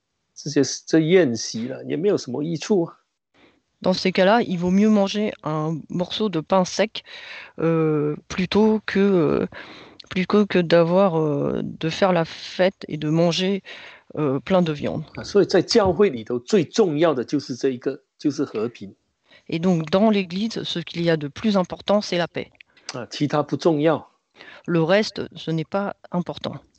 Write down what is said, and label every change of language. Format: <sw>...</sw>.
<zh>这样的话就吃一块干饼就算了，好过你什么献祭的这宴席了，也没有什么益处啊。</zh> <fr>Dans ces cas-là, il vaut mieux manger un morceau de pain sec plutôt que d'avoir de faire la fête et de manger plein de viande.</fr> <zh>所以在教会里头最重要的就是这一个，就是和平。</zh> <fr>Et donc dans l'Église, ce qu'il y a de plus important, c'est la paix.</fr> <zh>其他不重要。</zh> <fr>Le reste, ce n'est pas important.</fr>